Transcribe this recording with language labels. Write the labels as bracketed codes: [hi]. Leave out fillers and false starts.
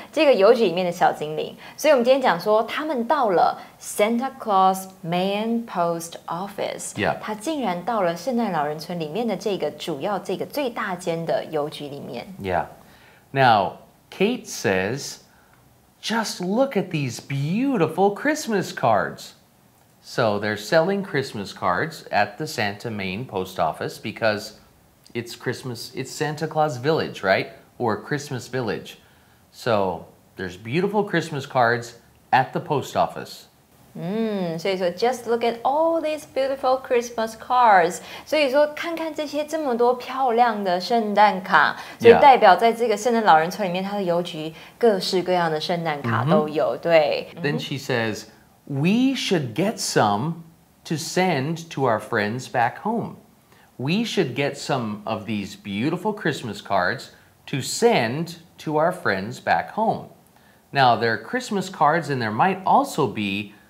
[zh] 这个邮局里面的小精灵。所以我们今天讲说他们到了Santa Claus Main Post Office. [en] Yeah. [zh] 他竟然到了圣诞老人村里面的这个主要这个最大间的邮局里面。 [en] Yeah. Now, Kate says, just look at these beautiful Christmas cards. So they're selling Christmas cards at the Santa Main Post Office because it's Christmas, it's Santa Claus Village, right? Or Christmas Village. So there's beautiful Christmas cards at the post office. [zh] 所以说 [en] just look at all these beautiful Christmas cards. [zh] 所以说看看这些这么多漂亮的圣诞卡，所以代表在这个圣诞老人村里面，它的邮局各式各样的圣诞卡都有。 Mm-hmm. 对。 [en] Then she says, "We should get some to send to our friends back home. We should get some of these beautiful Christmas cards to send to our friends back home." Now there are Christmas cards, and there might also be.